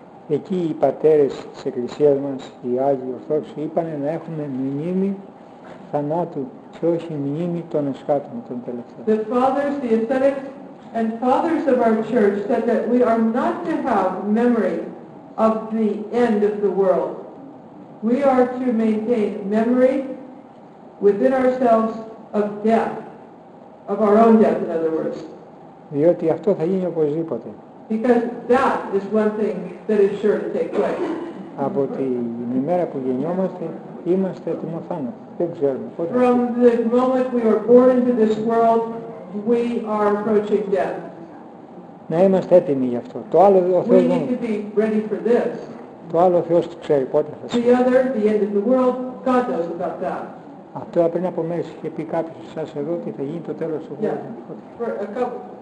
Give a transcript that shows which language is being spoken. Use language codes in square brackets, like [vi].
[el] Εκεί οι πατέρες της Εκκλησίας μας, οι Άγιοι Ορθόδοξοι, είπαν να έχουμε μνήμη θανάτου και όχι μνήμη των εσχάτων των τελευταίων. [en] The fathers, the ascetics, and fathers of our church said that we are not to have memory of the end of the world. We are to maintain memory within ourselves of death, of our own death, in other words. [el] Διότι αυτό θα γίνει οπωσδήποτε. [en] Because that is one thing that is sure to take place. [el] Από την ημέρα που γεννιόμαστε, είμαστε ετοιμοθάνατοι. [en] From the moment we are born into this world, we are approaching death. [el] Να είμαστε έτοιμοι γι' αυτό. Το άλλο ο Θεός. [en] We need to be ready for this. [el] Το άλλο ο Θεός ξέρει πότε θα συμβεί. [en] The other, the end of the world, God knows about that. [el] Αυτό πριν από μέρες είχε πει κάποιος σας εδώ ότι θα γίνει το τέλος του κόσμου.